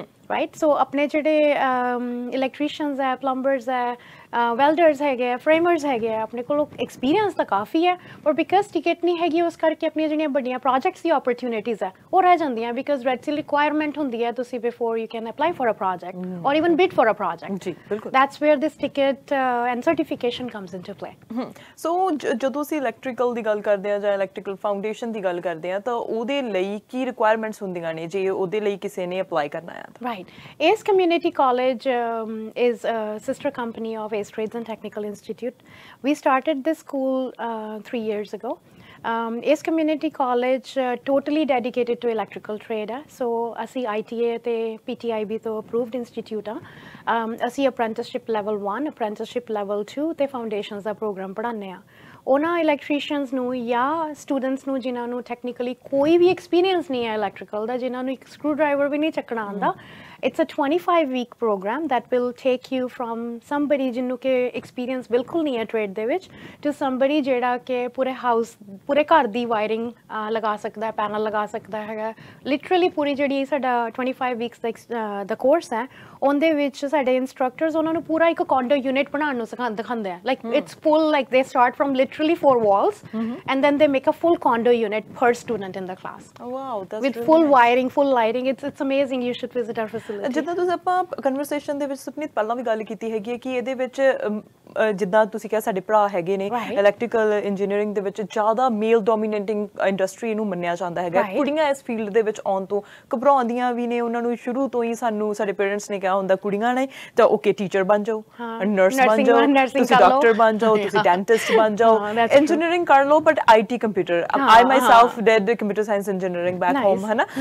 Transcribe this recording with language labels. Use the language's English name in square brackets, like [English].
[Punjabi] Right, ਸੋ ਆਪਣੇ ਜਿਹੜੇ ਇਲੈਕਟ੍ਰੀਸ਼ੀਅਨਸ ਹੈ, ਪਲੰਬਰਸ ਹੈ, ਵੈਲਡਰਸ ਹੈਗੇ ਆ, ਫਰੇਮਰਸ ਹੈਗੇ ਆ, ਆਪਣੇ ਕੋਲ ਐਕਸਪੀਰੀਅੰਸ ਤਾਂ ਕਾਫੀ ਹੈ, ਪਰ ਬਿਕੋਜ਼ ਟਿਕਟ ਨਹੀਂ ਹੈਗੀ ਉਸ ਕਰਕੇ ਆਪਣੀਆਂ ਜਿਹੜੀਆਂ ਵੱਡੀਆਂ ਪ੍ਰੋਜੈਕਟਸ ਦੀ ਓਪਰਚੁਨਿਟੀਜ਼ ਹੈ ਉਹ ਰਹਿ ਜਾਂਦੀਆਂ, ਬਿਕੋਜ਼ ਰੈੱਡ ਸੀ ਰਿਕੁਆਇਰਮੈਂਟ ਹੁੰਦੀ ਹੈ ਤੁਸੀਂ [English] before you can apply for a project [Punjabi] ਔਰ ਈਵਨ ਬਿਡ ਫੋਰ ਅ ਪ੍ਰੋਜੈਕਟ। ਜੀ ਬਿਲਕੁਲ, [English] That's where this ticket and certification comes in to play. [Punjabi] ਸੋ ਜਦੋਂ ਅਸੀਂ ਇਲੈਕਟ੍ਰੀਕਲ ਦੀ ਗੱਲ ਕਰਦੇ ਹਾਂ ਜਾਂ ਇਲੈਕਟ੍ਰੀਕਲ ਫਾਊਂਡੇਸ਼ਨ ਦੀ ਗੱਲ ਕਰਦੇ ਹਾਂ ਤਾਂ ਉਹਦੇ ਲਈ ਕੀ ਰਿਕੁਆਇਰਮੈਂਟਸ ਹੁੰਦੀਆਂ ਨੇ ਜੇ ਉਹਦੇ ਲਈ ਕਿਸੇ ਨੇ ਅਪਲਾਈ ਕਰਨਾ ਹੈ? [English] Right, ਇਸ community college is a sister company of Arsh Trades and Technical Institute. We started this school 3 years ago. Arsh Community College totally dedicated to electrical trade. [Punjabi] So asi ITA te PTIB to approved institute. Asi apprenticeship level 1, apprenticeship level 2 te foundations da program padhanne ha. ਉਹਨਾਂ ਇਲੈਕਟ੍ਰੀਸ਼ੀਅਨਸ ਨੂੰ ਜਾਂ students ਨੂੰ ਜਿਨ੍ਹਾਂ ਨੂੰ technically ਕੋਈ ਵੀ experience ਨਹੀਂ ਹੈ electrical ਦਾ, ਜਿਨ੍ਹਾਂ ਨੂੰ ਇੱਕ ਸਕਰੂ ਡਰਾਈਵਰ ਵੀ ਨਹੀਂ ਚੱਕਣਾ ਆਉਂਦਾ, [English] it's a 25-week programme that will take you from somebody [Punjabi] ਜਿਹਨੂੰ ਕਿ ਐਕਸਪੀਰੀਅੰਸ ਬਿਲਕੁਲ ਨਹੀਂ ਹੈ ਟ੍ਰੇਡ ਦੇ ਵਿੱਚ, ਟੂ ਸੰਬੜੀ ਜਿਹੜਾ ਕਿ ਪੂਰੇ ਹਾਊਸ, ਪੂਰੇ ਘਰ ਦੀ ਵਾਇਰਿੰਗ ਲਗਾ ਸਕਦਾ, ਪੈਨਲ ਲਗਾ ਸਕਦਾ ਹੈਗਾ। ਲਿਟਰਲੀ ਪੂਰੀ ਜਿਹੜੀ ਸਾਡਾ 25 weeks ਦਾ ਕੋਰਸ ਹੈ, ਉਹਦੇ ਵਿੱਚ ਸਾਡੇ ਇੰਸਟਰਕਟਰਸ ਉਹਨਾਂ ਨੂੰ ਪੂਰਾ ਇੱਕ ਕੌਂਡੋ ਯੂਨਿਟ ਬਣਾਉਣ ਨੂੰ ਦਿਖਾਉਂਦੇ ਆ। [English] Like it's full, like they start from literally 4 walls and then they make a full condo unit per student in the class. Oh, wow, that's with really full nice. Wiring, full lighting, it's amazing. You should visit our facility. [Punjabi] Jidda tu sapa conversation de vich Supneet pehla vi gall kiti hai ki ede vich ਜਿੱਦਾਂ ਤੁਸੀਂ ਕਿਹਾ ਸਾਡੇ ਭਰਾ ਹੈਗੇ ਨੇ electrical engineering ਦੇ ਵਿੱਚ, ਜ਼ਿਆਦਾ ਮੇਲ ਡੋਮੀਨੇਟਿੰਗ ਇੰਡਸਟਰੀ ਨੂੰ ਮੰਨਿਆ ਜਾਂਦਾ ਹੈਗਾ, ਕੁੜੀਆਂ ਇਸ ਫੀਲਡ ਦੇ ਵਿੱਚ ਆਉਣ ਤੋਂ ਘਬਰਾਉਂਦੀਆਂ ਵੀ ਨੇ, ਉਹਨਾਂ ਨੂੰ ਸ਼ੁਰੂ ਤੋਂ ਹੀ ਸਾਨੂੰ ਸਾਡੇ ਪੇਰੈਂਟਸ ਨੇ ਕਿਹਾ ਹੁੰਦਾ ਕੁੜੀਆਂ ਨੇ ਤਾਂ ਓਕੇ ਟੀਚਰ ਬਣ ਜਾਓ, ਨਰਸ ਬਣ ਜਾਓ, ਤੁਸੀਂ ਡਾਕਟਰ ਬਣ ਜਾਓ, ਤੁਸੀਂ ਡੈਂਟਿਸਟ ਬਣ ਜਾਓ, ਇੰਜੀਨੀਅਰਿੰਗ ਕਰ ਲਓ, but I T computer, [English] I myself did computer science engineering back home, [Punjabi] ਹੈਨਾ।